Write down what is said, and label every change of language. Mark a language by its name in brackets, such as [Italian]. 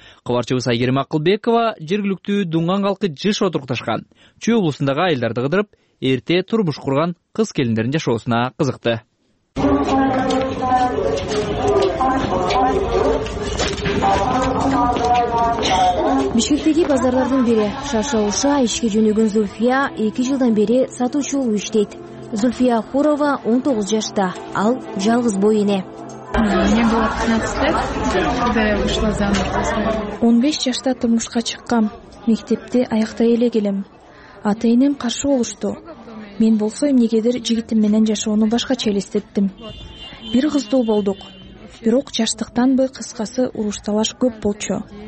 [Kyrgyz] Кабарчыбыз Айгерим Акылбекова жергиликтүү Дунган калкы жыш отурукташкан Чүй облусундагы айылдарды кыдырып, эрте турмуш курган кыз келиндердин жашоосуна кызыкты. Музыка Бишкектеги базарлардын бири Шашауша ишке жөнөгөн Зульфия 2 жылдан бери сатуучу болуп иштейт. Зульфия Хурова 19 жашта, ал жалгыз бой эне. [Russian] Мне было 15 лет, когда я вышла замуж. [Kyrgyz] 15 жашта турмушка чыккам, мектепти аяктай эле келем. Ата энем каршы болушту. Мен болсо эмнегедир жигитим менен жашоону башкача элестеттим. Бир кыздуу болдук, бирок жаштыктан бы кыскасы урушталаш көп болчу.